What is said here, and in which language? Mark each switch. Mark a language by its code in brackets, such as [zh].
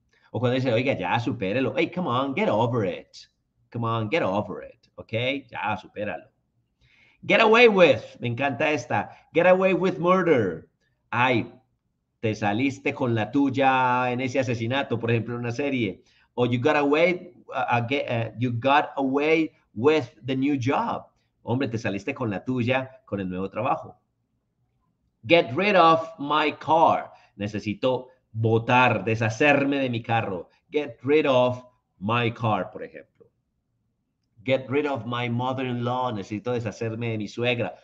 [es] O cuando dice, oiga, ya, supérelo. [en] Hey, come on, get over it. Come on, get over it. Okay, [es] ya, supéralo. [en] Get away with, [es] me encanta esta. [en] Get away with murder. [es] Ay, te saliste con la tuya en ese asesinato, por ejemplo, en una serie. [en] O you got away with the new job. [es] Hombre, te saliste con la tuya con el nuevo trabajo. [en] Get rid of my car. [es] Necesito botar, deshacerme de mi carro. [en] Get rid of my car, [es] por ejemplo. [en] Get rid of my mother-in-law. [es] Necesito deshacerme de mi suegra.